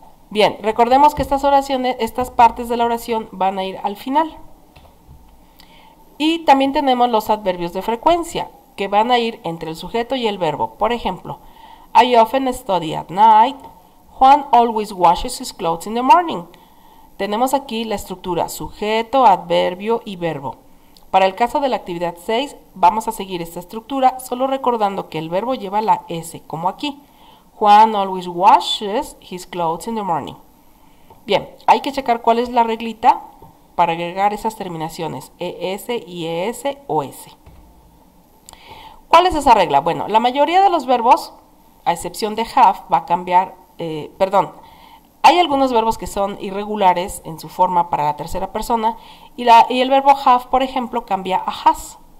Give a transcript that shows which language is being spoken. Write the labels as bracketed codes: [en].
[es] Bien, recordemos que estas partes de la oración van a ir al final. Y también tenemos los adverbios de frecuencia, que van a ir entre el sujeto y el verbo. Por ejemplo, [en] I often study at night. Juan always washes his clothes in the morning. [es] Tenemos aquí la estructura sujeto, adverbio y verbo. Para el caso de la actividad 6, vamos a seguir esta estructura, solo recordando que el verbo lleva la S, como aquí. [en] Juan always washes his clothes in the morning. [es] Bien, hay que checar cuál es la reglita para agregar esas terminaciones, ES, IES o S. ¿Cuál es esa regla? Bueno, la mayoría de los verbos, a excepción de have, va a cambiar, perdón, Hay algunos verbos que son irregulares en su forma para la tercera persona y el verbo have, por ejemplo, cambia a has.